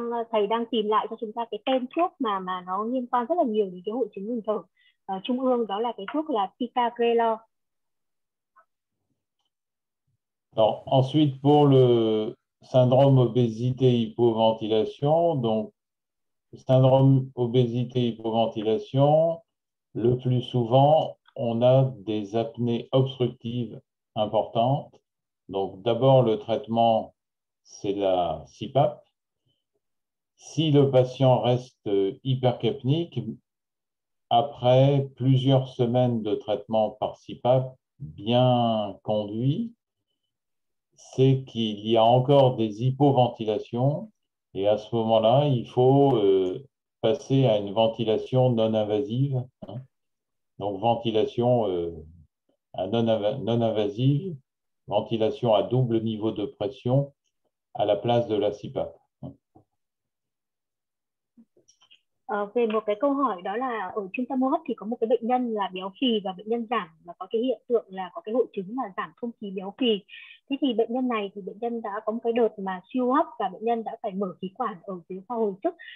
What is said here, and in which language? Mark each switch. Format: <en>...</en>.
<vi>Thầy đang tìm lại cho chúng ta cái tên thuốc mà nó liên quan rất là nhiều đến cái hội chứng ngừng thở trung ương, đó là cái thuốc là Ticagrelor.</vi> <fr>Alors, ensuite pour le syndrome obésité hypoventilation, donc syndrome obésité hypoventilation, le plus souvent on a des apnées obstructives importantes. Donc d'abord le traitement, c'est la CPAP. Si le patient reste hypercapnique, après plusieurs semaines de traitement par CPAP bien conduit, c'est qu'il y a encore des hypoventilations, et à ce moment-là, il faut passer à une ventilation non-invasive. Donc, ventilation non-invasive, ventilation à double niveau de pression à la place de la CPAP.</fr> <vi>Về một cái câu hỏi đó là ở trung tâm hô hấp thì có một cái bệnh nhân là béo phì, và bệnh nhân giảm và có cái hiện tượng là có cái hội chứng là giảm không khí béo phì. Thế thì bệnh nhân này thì bệnh nhân đã có một cái đợt mà siêu hấp và bệnh nhân đã phải mở khí quản ở dưới khoa hồi sức.</vi>